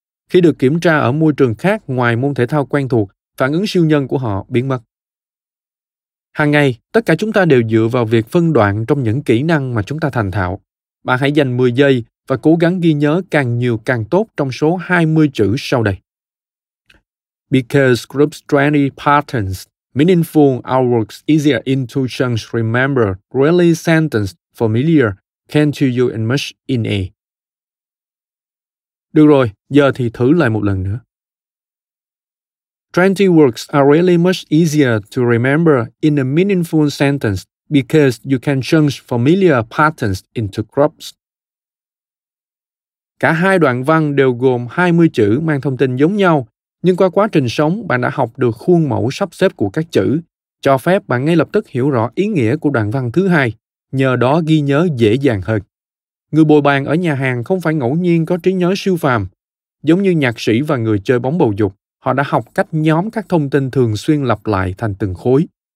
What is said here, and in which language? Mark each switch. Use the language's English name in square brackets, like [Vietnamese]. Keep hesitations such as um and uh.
[Vietnamese] Khi được kiểm tra ở môi trường khác ngoài môn thể thao quen thuộc, phản ứng siêu nhân của họ biến mất. Hàng ngày, tất cả chúng ta đều dựa vào việc phân đoạn trong những kỹ năng mà chúng ta thành thạo bạn hãy dành 10 giây và cố gắng ghi nhớ càng nhiều càng tốt trong số 20 chữ sau đây. [English] Because groups 20 patterns, meaningful outworks easier intuitions remember, really sentences familiar, can to you and much in a. [Vietnamese] Được rồi, giờ thì thử lại một lần nữa. [English] 20 works are really much easier to remember in a meaningful sentence because you can change familiar patterns into groups. [Vietnamese] Cả hai đoạn văn đều gồm 20 chữ mang thông tin giống nhau, nhưng qua quá trình sống bạn đã học được khuôn mẫu sắp xếp của các chữ, cho phép bạn ngay lập tức hiểu rõ ý nghĩa của đoạn văn thứ hai, nhờ đó ghi nhớ dễ dàng hơn. Người bồi bàn ở nhà hàng không phải ngẫu nhiên có trí nhớ siêu phàm. Giống như nhạc sĩ và người chơi bóng bầu dục, họ đã học cách nhóm các thông tin thường xuyên lặp lại thành từng khối.